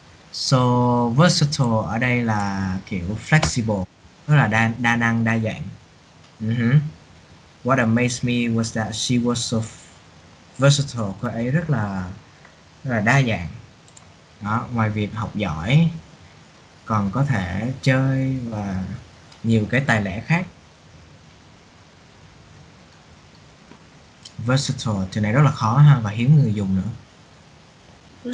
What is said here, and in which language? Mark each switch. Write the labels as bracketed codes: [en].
[vi] So, versatile ở đây là kiểu flexible, tức là đa, đa năng, đa dạng. [en] What amazed me was that she was so versatile. [vi] Cô ấy rất là đa dạng. Đó, ngoài việc học giỏi, còn có thể chơi và nhiều cái tài lẻ khác. Versatile, từ này rất là khó ha, và hiếm người dùng nữa.